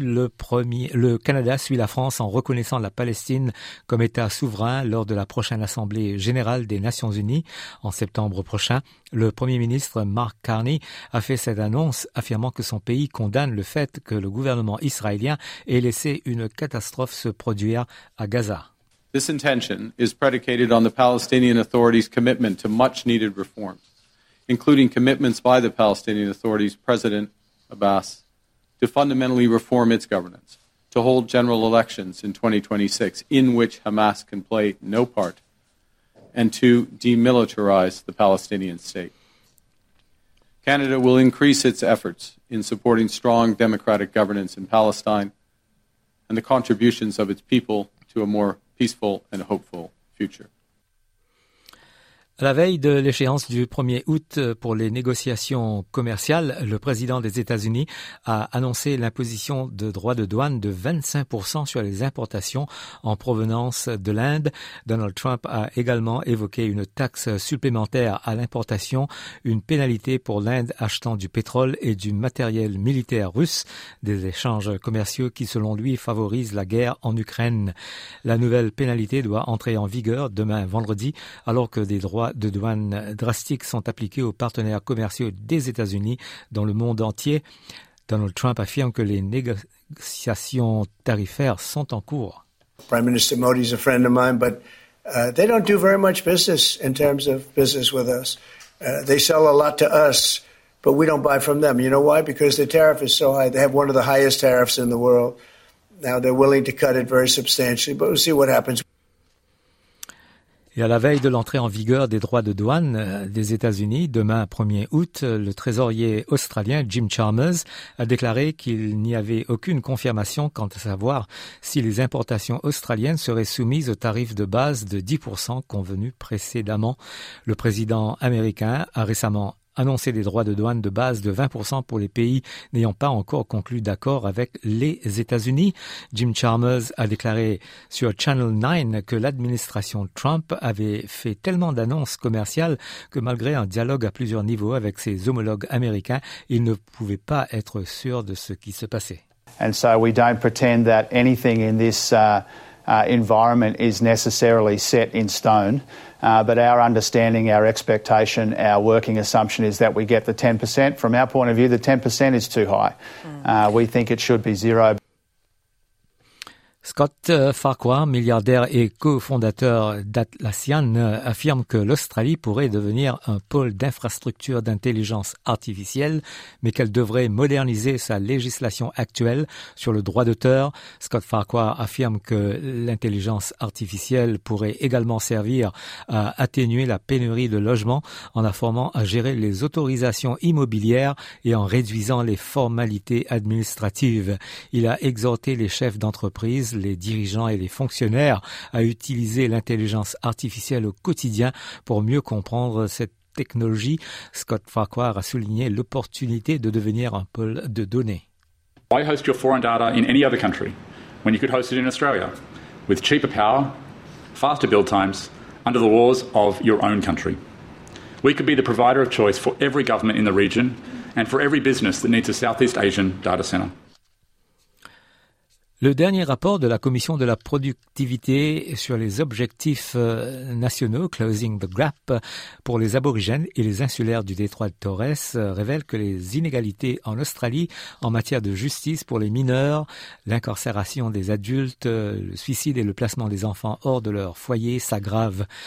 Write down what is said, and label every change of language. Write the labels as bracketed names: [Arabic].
[French] Le Canada suit la France en reconnaissant la Palestine comme État souverain lors de la prochaine Assemblée générale des Nations unies en septembre prochain. Le Premier ministre Mark Carney a fait cette annonce affirmant que son pays condamne le fait que le gouvernement israélien ait laissé une catastrophe se produire à Gaza. [English] This intention is predicated on the Palestinian Authority's commitment to much needed reform, including commitments by the Palestinian Authority's President Abbas to fundamentally reform its governance, to hold general elections in 2026 in which Hamas can play no part, and to demilitarize the Palestinian state. Canada will increase its efforts in supporting strong democratic governance in Palestine and the contributions of its people to a more peaceful and hopeful future. [French] À la veille de l'échéance du 1er août pour les négociations commerciales, le président des États-Unis a annoncé l'imposition de droits de douane de 25% sur les importations en provenance de l'Inde. Donald Trump a également évoqué une taxe supplémentaire à l'importation, une pénalité pour l'Inde achetant du pétrole et du matériel militaire russe, des échanges commerciaux qui, selon lui, favorisent la guerre en Ukraine. La nouvelle pénalité doit entrer en vigueur demain vendredi, alors que des droits de douane drastiques sont appliqués aux partenaires commerciaux des États-Unis dans le monde entier. Donald Trump affirme que les négociations tarifaires sont en cours. [English] Prime Minister Modi is a friend of mine, but they don't do very much business in terms of business with us. They sell a lot to us, but we don't buy from them. You know why? Because the tariff is so high. They have one of the highest tariffs in the world. Now they're willing to cut it very substantially, but we'll see what happens. [French] Et à la veille de l'entrée en vigueur des droits de douane des États-Unis, demain 1er août, le trésorier australien Jim Chalmers a déclaré qu'il n'y avait aucune confirmation quant à savoir si les importations australiennes seraient soumises au tarif de base de 10% convenu précédemment. Le président américain a récemment annoncé des droits de douane de base de 20% pour les pays n'ayant pas encore conclu d'accord avec les États-Unis. Jim Chalmers a déclaré sur Channel 9 que l'administration Trump avait fait tellement d'annonces commerciales que malgré un dialogue à plusieurs niveaux avec ses homologues américains, il ne pouvait pas être sûr de ce qui se passait. [English] And so we don't pretend that anything in this environment is necessarily set in stone, but our understanding, our expectation, our working assumption is that we get the 10%. From our point of view, the 10% is too high. We think it should be zero. [French] Scott Farquhar, milliardaire et cofondateur d'Atlassian, affirme que l'Australie pourrait devenir un pôle d'infrastructure d'intelligence artificielle, mais qu'elle devrait moderniser sa législation actuelle sur le droit d'auteur. Scott Farquhar affirme que l'intelligence artificielle pourrait également servir à atténuer la pénurie de logements en la formant à gérer les autorisations immobilières et en réduisant les formalités administratives. Il a exhorté les chefs d'entreprise, les dirigeants et les fonctionnaires à utiliser l'intelligence artificielle au quotidien pour mieux comprendre cette technologie. Scott Farquhar a souligné l'opportunité de devenir un pôle de données. [English] Why host your foreign data in any other country when you could host it in Australia with cheaper power, faster build times under the laws of your own country? We could be the provider of choice for every government in the region and for every business that needs a Southeast Asian data center. [French] Le dernier rapport de la Commission de la productivité sur les objectifs nationaux Closing the Gap pour les aborigènes et les insulaires du détroit de Torres révèle que les inégalités en Australie en matière de justice pour les mineurs, l'incarcération des adultes, le suicide et le placement des enfants hors de leur foyer s'aggravent.